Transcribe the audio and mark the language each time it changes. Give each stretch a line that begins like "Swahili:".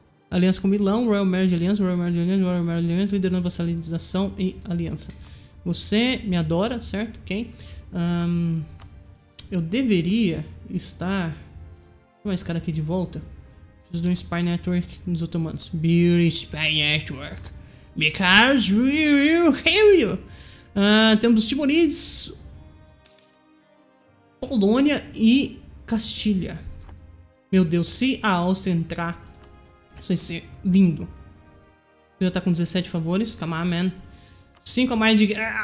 Portuguese: Aliança com Milão, Royal Marriage Alliance, Royal Marriage Alliance, Royal Marriage Alliance, liderando vassalização e aliança. Você me adora, certo? Ok. Eu deveria estar... Vou chamar esse cara aqui de volta. Preciso de um Spy Network nos otomanos. Build Spy Network.
English: Because we will kill you.
Portuguese: Temos os Timonides, Polônia e Castilha. Meu Deus, se a Áustria entrar... Isso vai ser lindo. Você já tá com 17 favores.
English: Come on, man.
Portuguese: 5 a mais de...